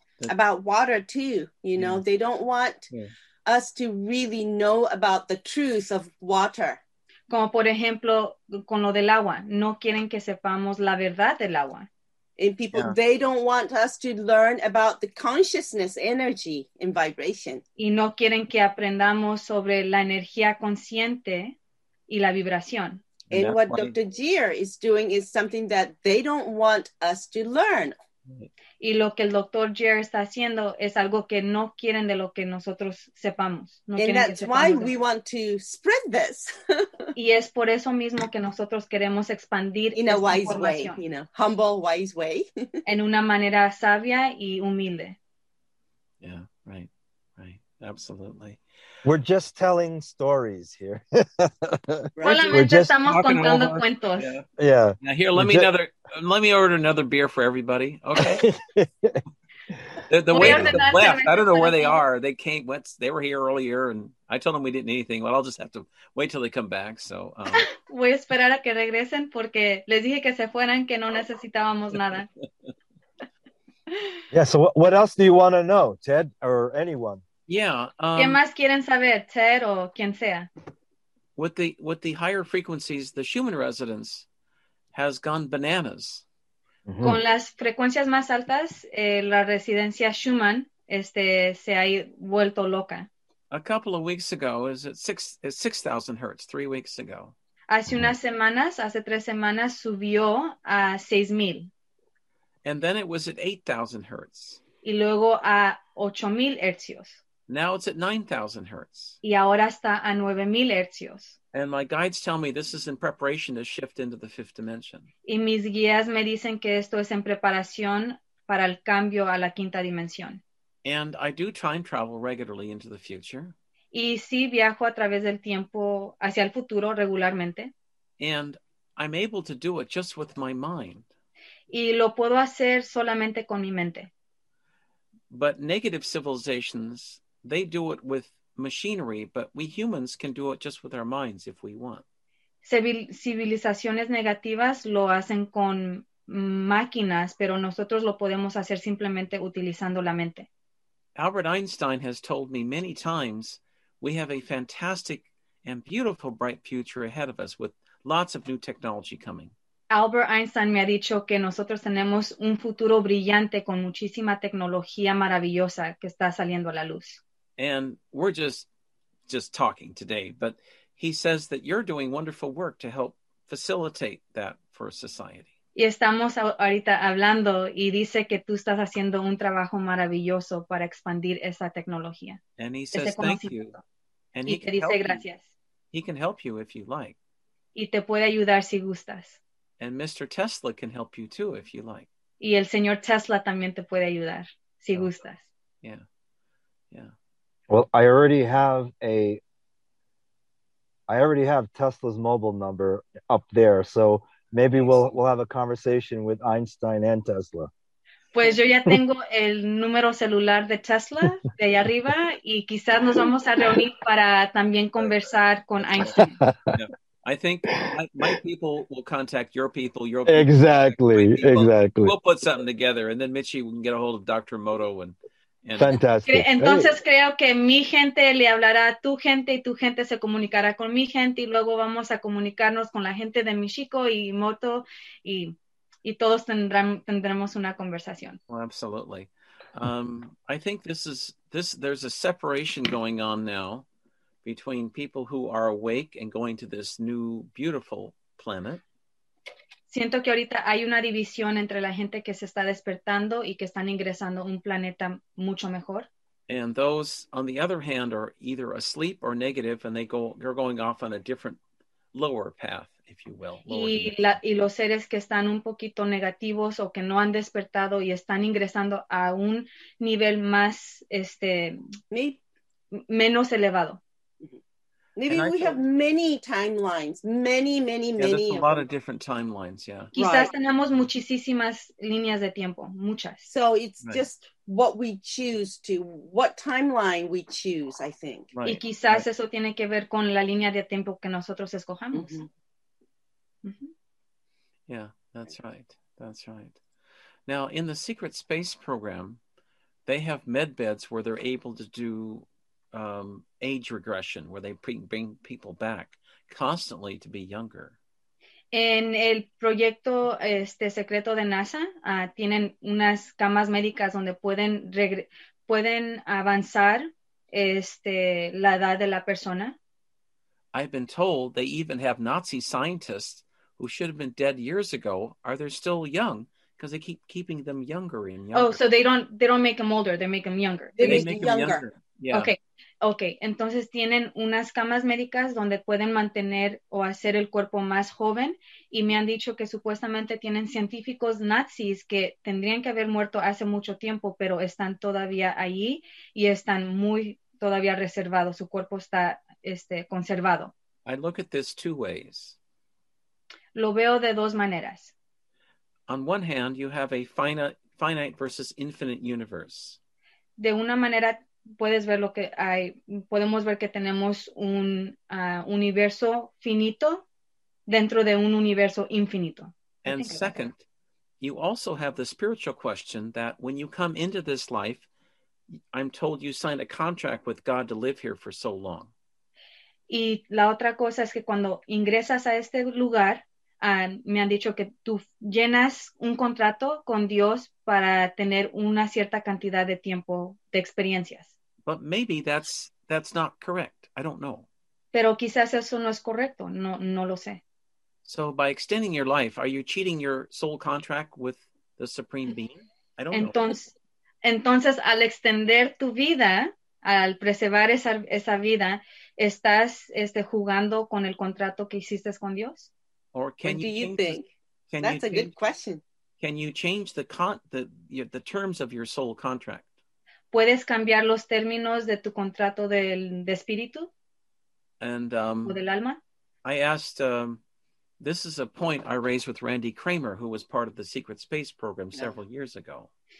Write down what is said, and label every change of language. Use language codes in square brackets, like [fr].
[en] About water too, you know, yeah. they don't want yeah. us to really know about the truth of water. [es] Como por ejemplo, con lo del agua, no quieren que sepamos la verdad del agua. [en] And people, yeah. they don't want us to learn about the consciousness, energy, and vibration. [es] Y no quieren que aprendamos sobre la energía consciente y la vibración. [en] And what Dr. Gere is doing is something that they don't want us to learn. [es] Y lo que el Dr. Gere está haciendo es algo que no quieren de lo que nosotros sepamos. No [en] and that's [es] sepamos [en] why we want to spread this. [es] Y es por eso mismo que nosotros queremos expandir [en] in a wise way, you know, humble, wise way. [es] En una manera sabia y humilde. [en] Yeah, right, right, absolutely. We're just telling stories here. We're just [es] estamos contando [en] our... [es] cuentos. [en] Yeah. Yeah. Now here, let me order another beer for everybody. Okay. the waiters have left. I don't know where they are. They came. They were here earlier, and I told them we didn't need anything. Well, I'll just have to wait till they come back. So. [es] Voy a esperar a que regresen porque les dije que se fueran que no necesitábamos nada. [en] Yeah. So what else do you want to know, Ted, or anyone? Yeah. [es] ¿Qué más quieren saber, Ted o quien sea? [en] With the higher frequencies, the Schumann residence has gone bananas. Mm-hmm. [es] Con las frecuencias más altas, la residencia Schumann se ha vuelto loca. [en] A couple of weeks ago, is it 6,000 hertz, 3 weeks ago. [es] Hace mm-hmm. unas semanas, hace tres semanas, subió a 6,000. [en] And then it was at 8,000 hertz. [es] Y luego a 8,000 hertzios. [en] Now it's at 9,000 hertz. [es] Y ahora está a 9,000 hertzios. [en] And my guides tell me this is in preparation to shift into the fifth dimension. [es] Y mis guías me dicen que esto es en preparación para el cambio a la quinta dimensión. [en] And I do time travel regularly into the future. [es] Y sí viajo a través del tiempo hacia el futuro regularmente. [en] And I'm able to do it just with my mind. [es] Y lo puedo hacer solamente con mi mente. [en] But negative civilizations, they do it with machinery, but we humans can do it just with our minds if we want. [es] Civilizaciones negativas lo hacen con máquinas, pero nosotros lo podemos hacer simplemente utilizando la mente. [en] Albert Einstein has told me many times, we have a fantastic and beautiful bright future ahead of us with lots of new technology coming. [es] Albert Einstein me ha dicho que nosotros tenemos un futuro brillante con muchísima tecnología maravillosa que está saliendo a la luz. [en] And we're just talking today, but he says that you're doing wonderful work to help facilitate that for society. [es] Y estamos ahorita hablando y dice que tú estás haciendo un trabajo maravilloso para expandir esa tecnología. [en] And he says thank you. And [es] y te dice gracias. [en] He can help you if you like. [es] Y te puede ayudar si gustas. [en] And Mr. Tesla can help you too, if you like. [es] Y el señor Tesla también te puede ayudar, si gustas. [en] Yeah, yeah. Well, I already have Tesla's mobile number up there, so maybe we'll have a conversation with Einstein and Tesla. Pues yo ya tengo el número celular de Tesla de allá arriba, y quizás nos vamos a reunir para también conversar con Einstein. Yeah. I think my people will contact your people. Your exactly, people. Exactly. We'll put something together, and then Michi can get a hold of Dr. Moto. And fantastic. [es] Entonces creo que mi gente le hablará a tu gente, y tu gente se comunicará con mi gente, y luego vamos a comunicarnos con la gente de Michiko y Moto, y todos tendremos una conversación. [en] Well, absolutely. I think this. There's a separation going on now. Between people who are awake and going to this new beautiful planet. [es] Siento que ahorita hay una división entre la gente que se está despertando y que están ingresando un planeta mucho mejor. [en] And those on the other hand are either asleep or negative, and they're going off on a different lower path, if you will. [es] Y los seres que están un poquito negativos o que no han despertado y están ingresando a un nivel más menos elevado. [en] Maybe we have many timelines, many. Yeah, there's a lot of different timelines, yeah. [es] Quizás [en] right. [es] Tenemos muchísimas líneas de tiempo, muchas. [en] So it's right. Just what we choose to, what timeline we choose, I think. Right. [es] Y quizás [en] right. [es] Eso tiene que ver con la línea de tiempo que nosotros escojamos. [en] Mm-hmm. Yeah, that's right. That's right. Now, in the Secret Space Program, they have med beds where they're able to do age regression, where they bring people back constantly to be younger. [es] En el proyecto secreto de NASA, tienen unas camas médicas donde pueden avanzar la edad de la persona. [en] I've been told they even have Nazi scientists who should have been dead years ago. Are they still young? Because they keep keeping them younger and younger. Oh, so they don't make them older. They make them younger. They make them younger. Yeah. [es] Okay, entonces tienen unas camas médicas donde pueden mantener o hacer el cuerpo más joven, y me han dicho que supuestamente tienen científicos nazis que tendrían que haber muerto hace mucho tiempo, pero están todavía allí y están muy todavía reservado, su cuerpo está conservado. [en] I look at this two ways. [es] Lo veo de dos maneras. [en] On one hand, you have a finite versus infinite universe. [es] De una manera puedes ver lo que hay, podemos ver que tenemos un universo finito dentro de un universo infinito. [en] And second, you also have the spiritual question that when you come into this life, I'm told you signed a contract with God to live here for so long. [es] Y la otra cosa es que cuando ingresas a este lugar, me han dicho que tú llenas un contrato con Dios para tener una cierta cantidad de tiempo de experiencias. [en] But maybe that's not correct. I don't know. [es] Pero quizás eso no es correcto. No, no lo sé. [en] So by extending your life, are you cheating your soul contract with the Supreme Being? I don't know. [es] Entonces, al extender tu vida, al preservar esa vida, ¿estás jugando con el contrato que hiciste con Dios? [en] Or can what you do you think? That's a good question. Can you change the terms of your soul contract? [es] ¿Puedes cambiar los términos de tu contrato de espíritu? [en] And, [es] ¿o del alma? [en] I asked, this is a point I raised with Randy Kramer, who was part of the Secret Space program several years ago.